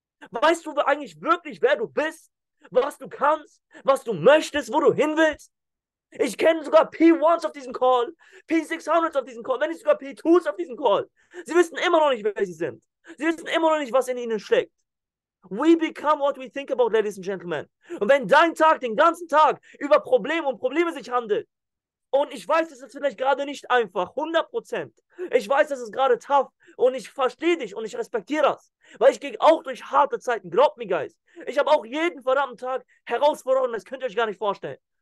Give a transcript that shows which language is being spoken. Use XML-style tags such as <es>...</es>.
<de>Weißt du eigentlich wirklich, wer du bist? Was du kannst? Was du möchtest? Wo du hin willst? Ich kenne sogar P1s auf diesem Call, P600s auf diesem Call, wenn nicht sogar P2s auf diesem Call. Sie wissen immer noch nicht, wer sie sind. Sie wissen immer noch nicht, was in ihnen steckt.</de> <en>We become what we think about, ladies and gentlemen.</en> <de>Und wenn dein Tag den ganzen Tag über Probleme und Probleme sich handelt, und ich weiß, das ist vielleicht gerade nicht einfach, 100%. Ich weiß, das ist gerade tough und ich verstehe dich und ich respektiere das. Weil ich gehe auch durch harte Zeiten, glaubt mir, Guys. Ich habe auch jeden verdammten Tag Herausforderungen, das könnt ihr euch gar nicht vorstellen.</de>